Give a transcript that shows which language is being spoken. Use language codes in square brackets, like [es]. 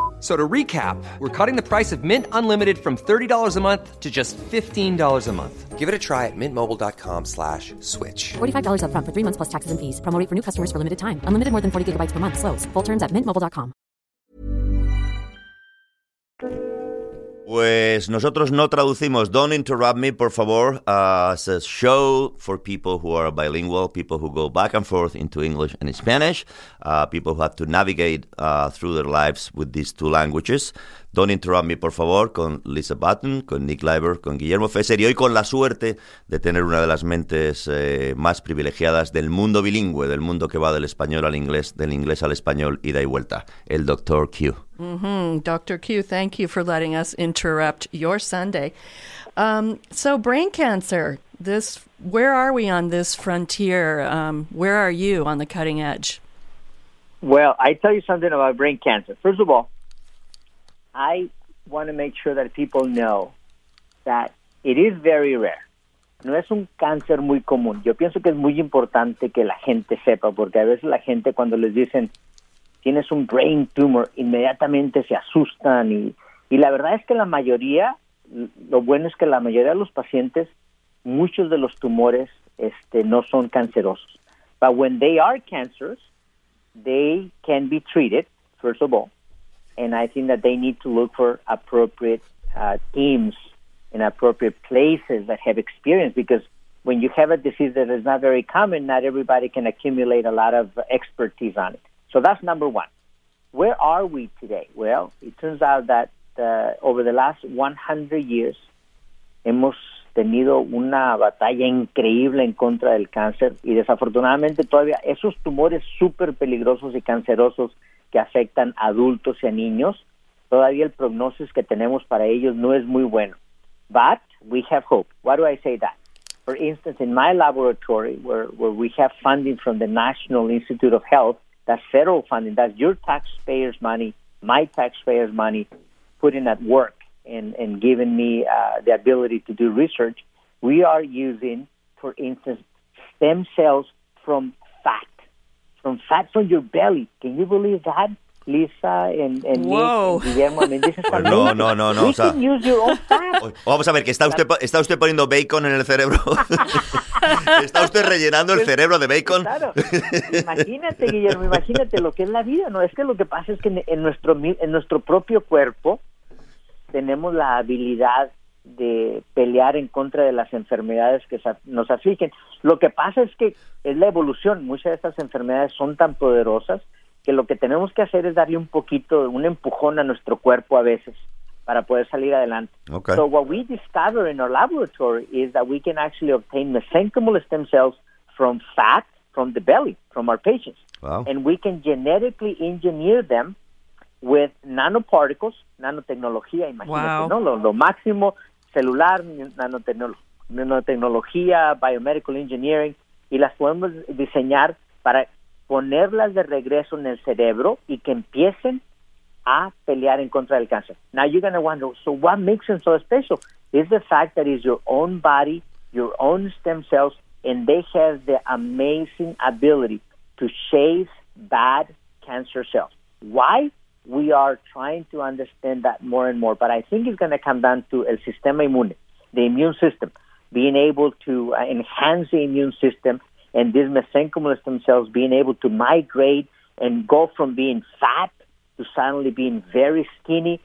[en] So to recap, we're cutting the price of Mint Unlimited from $30 a month to just $15 a month. Give it a try at mintmobile.com/switch. $45 up front for 3 months plus taxes and fees. Promo rate for new customers for limited time. Unlimited more than 40 gigabytes per month. Slows full terms at mintmobile.com. [es] Pues nosotros no traducimos. [en] Don't interrupt me, [es] por favor. [en] It's a show for people who are bilingual, people who go back and forth into English and Spanish, people who have to navigate through their lives with these two languages. Don't interrupt me, [es] por favor, con Lisa Button, con Nick Leiber, con Guillermo Fesser, y hoy con la suerte de tener una de las mentes más privilegiadas del mundo bilingüe, del mundo que va del español al inglés, del inglés al español, ida y vuelta, el Dr. Q. Mm-hmm. Dr. [en] Q, thank you for letting us interrupt your Sunday. So brain cancer, where are we on this frontier? Where are you on the cutting edge? Well, I tell you something about brain cancer. First of all, I want to make sure that people know that it is very rare. [es] No es un cáncer muy común. Yo pienso que es muy importante que la gente sepa, porque a veces la gente cuando les dicen tienes un [en] brain tumor, [es] inmediatamente se asustan. Y la verdad es que la mayoría, lo bueno es que la mayoría de los pacientes, muchos de los tumores no son cancerosos. [en] But when they are cancers, they can be treated, first of all. And I think that they need to look for appropriate teams in appropriate places that have experience. Because when you have a disease that is not very common, not everybody can accumulate a lot of expertise on it. So that's number one. Where are we today? Well, it turns out that over the last 100 years, [es] hemos tenido una batalla increíble en contra del cáncer. Y desafortunadamente todavía esos tumores super peligrosos y cancerosos que afectan a adultos y a niños, todavía el prognosis que tenemos para ellos no es muy bueno. [en] But we have hope. Why do I say that? For instance, in my laboratory, where we have funding from the National Institute of Health, that's federal funding, that's your taxpayers' money, my taxpayers' money, putting at work and giving me the ability to do research, we are using, for instance, stem cells from fat. From fat from your belly. Can you believe that? Lisa and Guillermo. I mean, this is no, no, no, no. We can use your own fat. [es] Vamos a ver, que está usted poniendo bacon en el cerebro. Está usted rellenando el cerebro de bacon. Claro. Imagínate, Guillermo, imagínate lo que es la vida. No, es que lo que pasa es que en nuestro propio cuerpo tenemos la habilidad de pelear en contra de las enfermedades que nos afligen. Lo que pasa es que es la evolución. Muchas de estas enfermedades son tan poderosas que lo que tenemos que hacer es darle un poquito, un empujón a nuestro cuerpo a veces para poder salir adelante. Okay. [en] So what we discovered in our laboratory is that we can actually obtain mesenchymal stem cells from fat, from the belly, from our patients. Wow. And we can genetically engineer them with nanoparticles, [es] nanotecnología, imagínate, wow, ¿no? Lo máximo celular, nanotecnología, [en] biomedical engineering, [es] y las podemos diseñar para ponerlas de regreso en el cerebro y que empiecen a pelear en contra del cáncer. [en] Now you're going to wonder, so what makes them so special? It's the fact that it's your own body, your own stem cells, and they have the amazing ability to chase bad cancer cells. Why? We are trying to understand that more and more, but I think it's going to come down to [es] el sistema inmune, [en] the immune system, being able to enhance the immune system, and these mesenchymal stem cells being able to migrate and go from being fat to suddenly being very skinny.